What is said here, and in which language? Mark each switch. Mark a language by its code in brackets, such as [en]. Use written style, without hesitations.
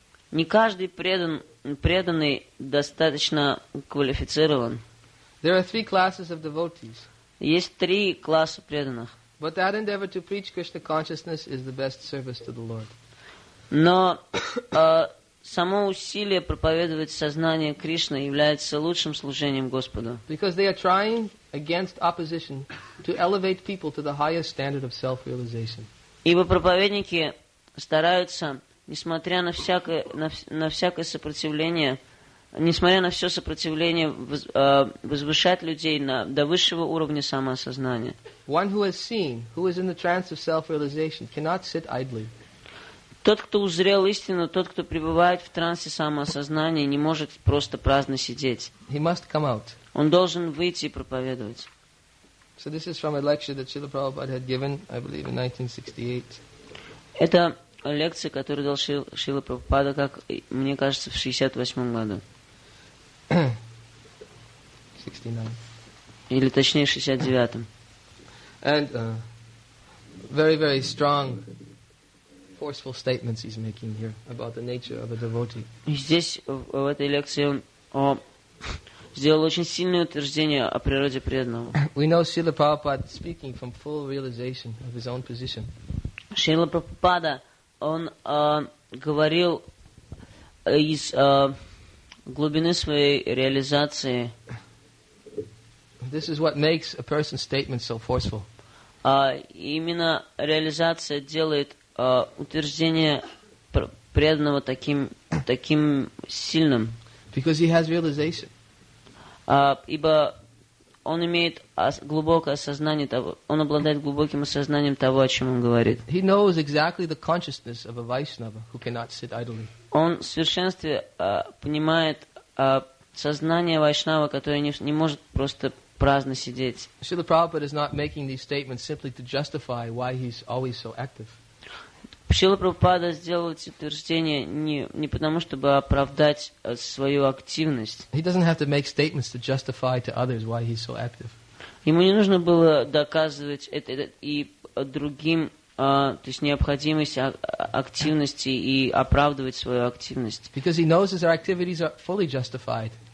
[ru] Не каждый преданный достаточно квалифицирован. [en] There are three classes of devotees. [ru] Есть три класса преданных. [en] But that endeavor to preach Krishna consciousness is the best service to the Lord. [ru] Но само усилие проповедовать сознание Кришны является лучшим служением Господу. [en] Because they are trying against opposition to elevate people to the highest standard of self-realization. [ru] Ибо проповедники стараются, несмотря на всякое сопротивление, несмотря на все сопротивление, возвышать людей до высшего уровня самоосознания. [en] One who has seen, who is in the trance of self-realization, cannot sit idly. [ru] Тот, кто узрел истину, тот, кто пребывает в трансе самоосознания, не может просто праздно сидеть. [en] He must come out. [ru] Он должен выйти и проповедовать. [en] So this is from a lecture that Srila Prabhupada had given, I believe, in 1968. [ru] Это лекция, которую дал Шрила Прабхупада, как мне кажется, в 68 году. [en] 69. [ru] или точнее 69-м. [en] And very, very strong, forceful statements he's making here about the nature of a devotee. [ru] И здесь в этой лекции он сделал очень сильное утверждение о природе преданного. [en] We know Srila Prabhupada speaking from full realization of his own position. [ru] Шрила Прабхупада, он говорил из глубины своей реализации. [en] This is what makes a person's statement so forceful. [ru] Именно реализация делает утверждение преданного таким сильным. [en] Because he has realization. [ru] Ибо он имеет глубокое осознание того, он обладает глубоким осознанием того, о чем он говорит. [en] He knows exactly the consciousness of a Vaishnava who cannot sit idly. [ru] Он в совершенстве понимает сознание Вайшнава, которое не может просто праздно сидеть. [en] Srila Prabhupada is not making these statements simply to justify why he's always so active. [ru] Шрила Прабхупада сделал эти утверждения не потому, чтобы оправдать свою активность. [en] He doesn't have to make statements to justify to others why he's so active. [ru] Ему не нужно было доказывать это и другим, то есть необходимость активности и оправдывать свою активность. [en] Because he knows his activities are fully justified.